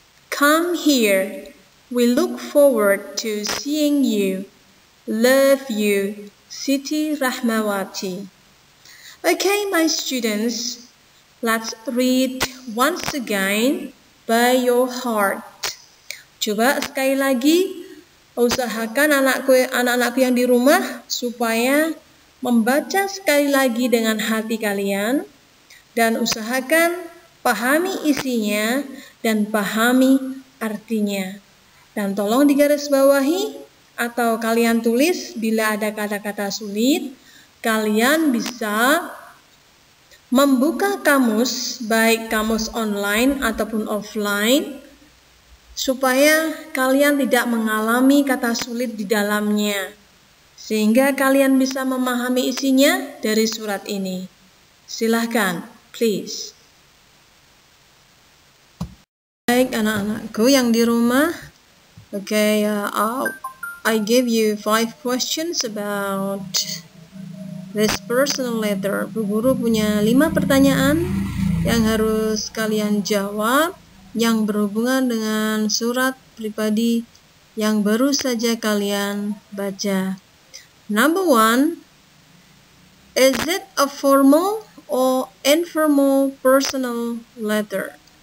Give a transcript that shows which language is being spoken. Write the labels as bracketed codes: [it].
[en] Come here. We look forward to seeing you. Love you, Siti Rahmawati. Okay, my students, let's read once again by your heart. [id] Coba sekali lagi, usahakan anak-anakku yang di rumah supaya membaca sekali lagi dengan hati kalian dan usahakan pahami isinya dan pahami artinya. Dan tolong digarisbawahi atau kalian tulis bila ada kata-kata sulit, kalian bisa membuka kamus, baik kamus online ataupun offline, supaya kalian tidak mengalami kata sulit di dalamnya, sehingga kalian bisa memahami isinya dari surat ini. Silahkan, please. Baik, anak-anakku yang di rumah. [en] Okay, I gave you 5 questions about this personal letter. [id] Bu Guru punya 5 pertanyaan yang harus kalian jawab yang berhubungan dengan surat pribadi yang baru saja kalian baca. [en] Number 1, is it a formal or informal personal letter?